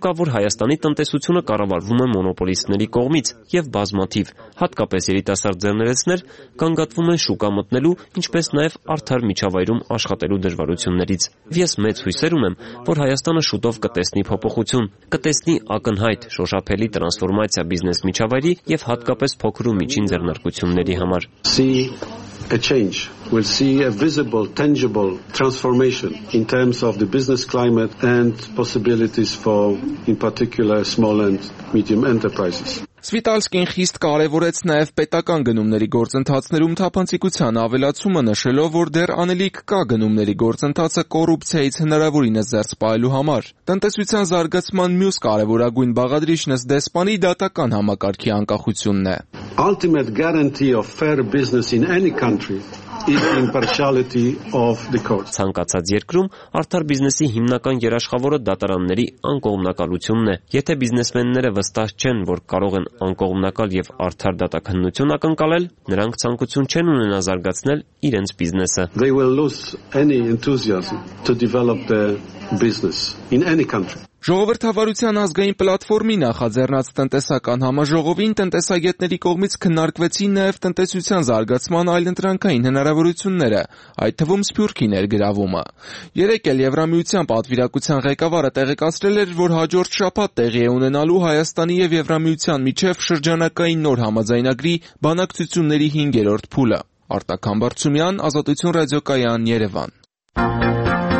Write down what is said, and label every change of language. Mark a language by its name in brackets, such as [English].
[Armenian] կա, որ Հայաստանի տնտեսությունը կառավարվում է մոնոպոլիստների կողմից և բազմաթիվ, հատկապես երիտասարդ ձեռներեցներ կանգատվում են շուկա մտնելու, ինչպես նաև արդար միջավայրում աշխատելու դժվարություններից։ Ես մեծ հույսեր ունեմ, որ Հայաստանը շուտով կտեսնի փոփոխություն, կտեսնի ակնհայտ շոշափելի տրանսֆորմացիա բիզնես միջավայրի և հատկապես փոքր ու միջին ձեռնարկությունների համար։ [English] a change. We'll see a visible, tangible transformation in terms of the business climate and possibilities for, in particular, small and medium enterprises. [Armenian] Սվիտալսկին խիստ կարևորեց նաև պետական գնումների գործընթացներում թափանցիկության ավելացումը, նշելով, որ դեռ անելիք կա գնումների գործընթացը կոռուպցիայից հնարավորինս զերծ պահելու համար։ Տնտեսության զարգացման մյուս կարևորագույն բաղադրիչն ըստ դեսպանի դատական համակարգի անկախությունն է։ [English] Ultimate guarantee of fair business in any country is the impartiality of the courts. [Armenian] Ցանկացած երկրում արդար բիզնեսի հիմնական երաշխավորը դատարանների անկողմնակալությունն է։ Եթե բիզնեսմենները վստահ չեն, որ կարող են անկողմնակալ եւ արդար դատաքննություն ակնկալել, նրանք ցանկություն չեն ունենա զարգացնել իրենց բիզնեսը։ [English] They will lose any enthusiasm to develop their business in any country. [Armenian] Ժողովրդավարության ազգային պլատֆորմի նախաձեռնած տնտեսական համաժողովին տնտեսագետների կողմից քննարկվեցին նաև տնտեսության զարգացման այլ ընտրանքային հնարավորությունները, այդ թվում Սփյուռքի ներգրավումը։ Երեկել Եվրամիության պատվիրակության ղեկավարը տեղեկացրել էր, որ հաջորդ շաբաթ տեղի է ունենալու Հայաստանի և Եվրամիության միջև շրջանակային նոր համաձայնագրի բանակցությունների 5-րդ փուլը։ Արտակ Համբարձումյան, Ազատություն ռադիոկայան, Երևան։